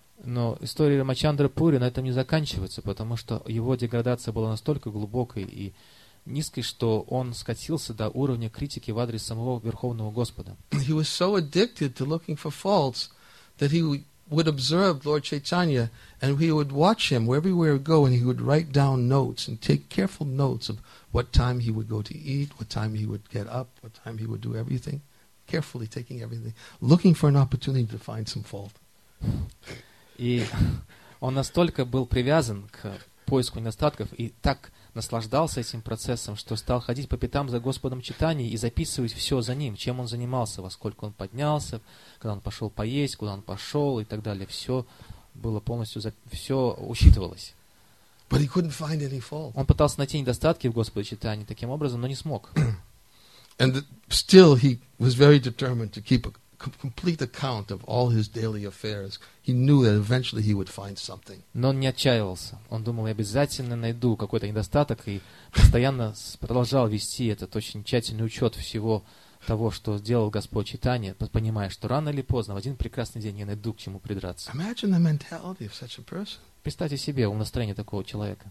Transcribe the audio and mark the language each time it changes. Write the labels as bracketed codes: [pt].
[ru] Но история Рамачандра Пури на этом не заканчивается, потому что его деградация была настолько глубокой и низкой, что он скатился до уровня критики в адрес самого Верховного Господа. [en] He was so addicted to looking for faults that he would observe Lord Chaitanya and he would watch him everywhere he would go and he would write down notes and take careful notes of what time he would go to eat, what time he would get up, what time he would do everything, carefully taking everything, looking for an opportunity to find some fault. [ru] И он настолько был привязан к поиску недостатков и так наслаждался этим процессом, что стал ходить по пятам за Господом Читания и записывать все за ним, чем он занимался, во сколько он поднялся, когда он пошел поесть, куда он пошел и так далее. Все было полностью, все учитывалось. Он пытался найти недостатки в Господе Читании таким образом, но не смог. [en] And still he was very determined to keep a complete account of all his daily affairs. He knew that eventually he would find something. [ru] Но он не отчаивался. Он думал, я обязательно найду какой-то недостаток и постоянно продолжал вести этот очень тщательный учет всего того, что сделал Господь Читания, понимая, что рано или поздно, в один прекрасный день, я найду к чему придраться. [en] Imagine the mentality of such a person. [ru] Представьте себе умонастроение такого человека.